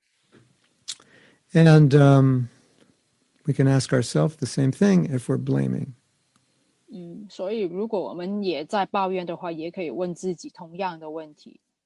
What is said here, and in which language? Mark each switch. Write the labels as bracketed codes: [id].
[zh] 所以如果他们在抱怨的时候，你可以去问他们，其实你们需要什么，从这个情况来看，其实你在寻找什么，你想要从这个情况得到什么。 [en] And we can ask ourselves the same thing if we're blaming. [zh] 所以如果我们也在抱怨的话，也可以问自己同样的问题。